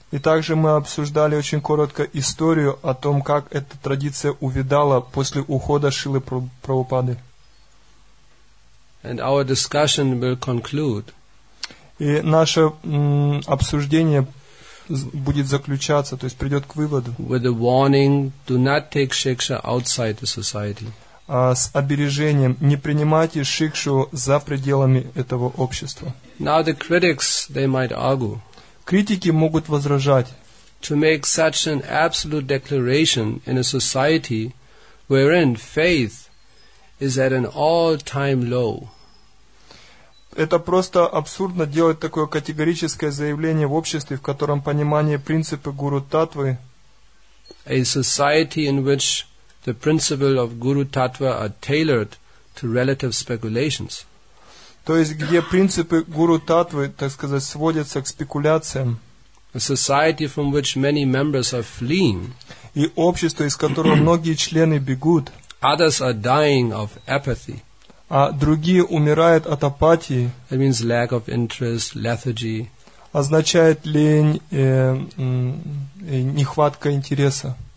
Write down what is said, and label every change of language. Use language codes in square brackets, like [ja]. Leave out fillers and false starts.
[ru] И также мы обсуждали очень коротко историю о том, как эта традиция увидала после ухода Шрилы Прабхупады. [en] And our discussion will conclude. [ru] И наше обсуждение будет заключаться, то есть придет к выводу. [en] With a warning, do not take shiksha outside the society. [ru] С обережением, не принимайте шикшу за пределами этого общества. [en] Now the critics, they might argue. [ru] Критики могут возражать. [en] To make such an absolute declaration in a society wherein faith is at an all-time low. [ru] Это просто абсурдно делать такое категорическое заявление в обществе, в котором понимание принципа гуру татвы. [en] A society in which the principle of guru татва are tailored to relative speculations. [ru] То есть, где принципы гуру-татвы, так сказать, сводятся к спекуляциям. [en] A society from which many members are fleeing. [ru] И общество, из которого многие члены бегут. [en] Others are dying of apathy. [ru] А другие умирают от апатии. [en] It means lack of interest, lethargy. [ru] Означает лень и нехватка интереса.